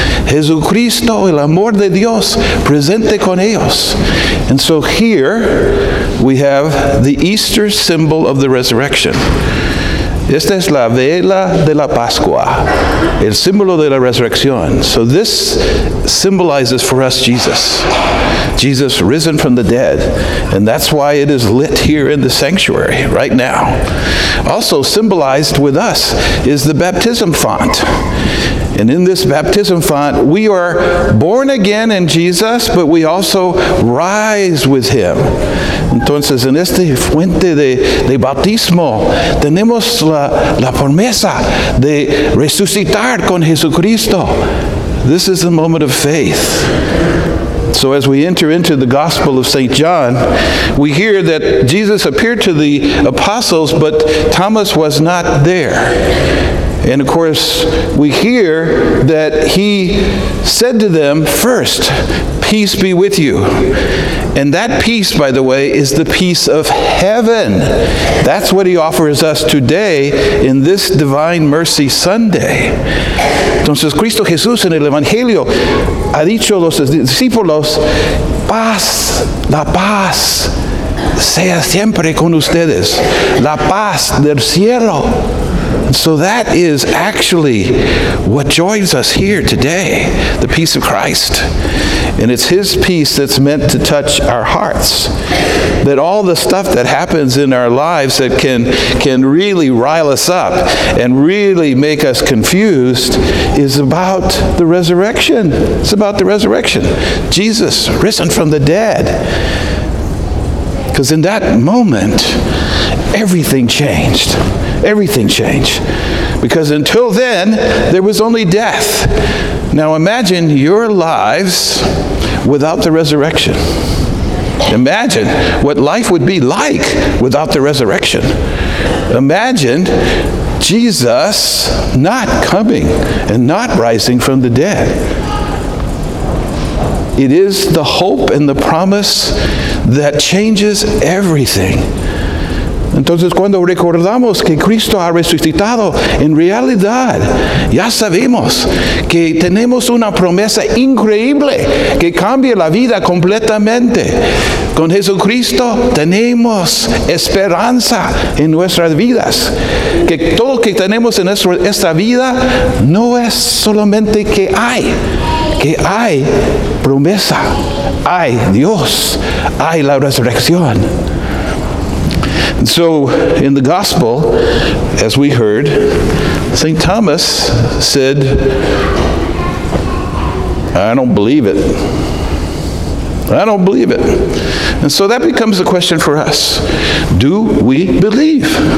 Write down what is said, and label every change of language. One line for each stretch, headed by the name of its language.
Spanish: Jesucristo, el amor de Dios, presente con ellos.
English: And so here we have the Easter symbol of the resurrection.
Spanish: Esta es la vela de la Pascua, el símbolo de la resurrección.
English: So this symbolizes for us Jesus. Jesus risen from the dead. And that's why it is lit here in the sanctuary right now. Also symbolized with us is the baptism font. And in this baptism font, we are born again in Jesus, but we also rise with him.
Spanish: Entonces, en esta fuente de bautismo, tenemos la promesa de resucitar con Jesucristo.
English: This is the moment of faith. So as we enter into the Gospel of St. John, we hear that Jesus appeared to the apostles, but Thomas was not there. And of course, we hear that he said to them first, "Peace be with you." And that peace, by the way, is the peace of heaven. That's what he offers us today in this Divine Mercy Sunday.
Spanish: Entonces, Cristo Jesús en el Evangelio ha dicho a los discípulos, paz, la paz sea siempre con ustedes. La paz del cielo.
English: So that is actually what joins us here today, the peace of Christ. And it's his peace that's meant to touch our hearts. That all the stuff that happens in our lives that can really rile us up and really make us confused is about the resurrection. It's about the resurrection. Jesus risen from the dead. Because in that moment, everything changed. Everything changed. Because until then, there was only death. Now imagine your lives without the resurrection. Imagine what life would be like without the resurrection. Imagine Jesus not coming and not rising from the dead. It is the hope and the promise that changes everything.
Spanish: Entonces, cuando recordamos que Cristo ha resucitado, en realidad, ya sabemos que tenemos una promesa increíble que cambia la vida completamente. Con Jesucristo tenemos esperanza en nuestras vidas. Que todo lo que tenemos en esta vida no es solamente que hay promesa, hay Dios, hay la resurrección.
English: So, in the Gospel, as we heard, St. Thomas said, "I don't believe it. I don't believe it." And so that becomes a question for us. Do we believe?